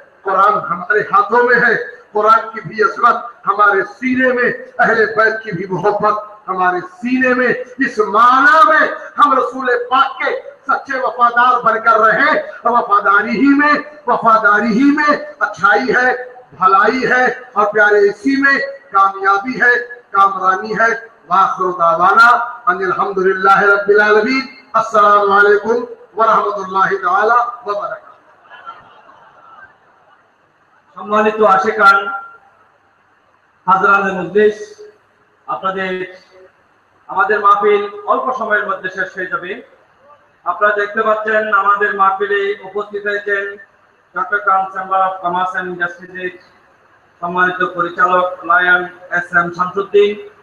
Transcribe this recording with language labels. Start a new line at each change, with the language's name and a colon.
Urdu: قرآن ہمارے ہاتھوں میں ہے, قرآن کی بھی عصمت ہمارے سینے میں, اہل بیت کی بھی محبت ہمارے سینے میں, اس معنی میں ہم رسول پاک کے سچے وفادار بن کر رہے, وفاداری ہی میں, وفاداری ہی میں اچھائی ہے, بھلائی ہے, اور پیارے اسی میں کامیابی ہے, کامرانی ہے.
Arabic: واخر دعوانا ان الحمد لله رب العالمين السلام عليكم ورحمه الله تعالى وبركاته
Bangla: সম্মানিত আশেকান হাজরানের উদ্দেশ্যে আপনাদের আমাদের মাহফিল অল্প সময়ের মধ্যে শেষ হয়ে যাবে আপনারা দেখতে পাচ্ছেন আমাদের মাহফিলে উপস্থিত হয়েছেন Chittagong chamber of commerce and ইন্ডাস্ট্রিজের সম্মানিত পরিচালক লায়ন এস এম শামসুদ্দিন